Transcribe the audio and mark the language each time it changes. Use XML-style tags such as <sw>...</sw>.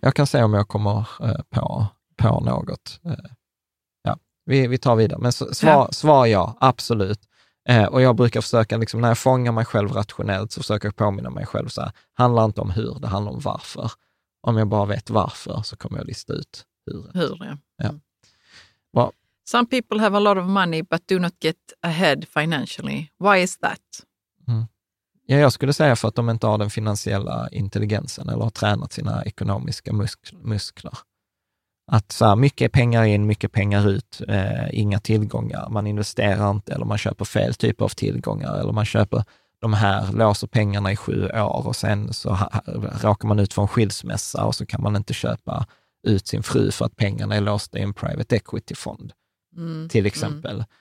<sv>Jag kan säga om jag kommer på något. Ja, vi tar vidare. Men svar ja, absolut. Och jag brukar försöka, liksom, när jag fångar mig själv rationellt så försöker jag påminna mig själv så här, handlar inte om hur, det handlar om varför. Om jag bara vet varför så kommer jag lista ut hur. Hur, ja. Ja.</sv> <en>Some people have a lot of money but do not get ahead financially. Why is that? Mm.</en> <sv>Ja, jag skulle säga för att de inte har den finansiella intelligensen eller har tränat sina ekonomiska muskler. Att så här, mycket pengar in, mycket pengar ut, inga tillgångar. Man investerar inte eller man köper fel typ av tillgångar eller man köper de här, låser pengarna i 7 år och sen så råkar man ut från skilsmässa och så kan man inte köpa ut sin fru för att pengarna är låsta i en private equity-fond, till exempel.</sv>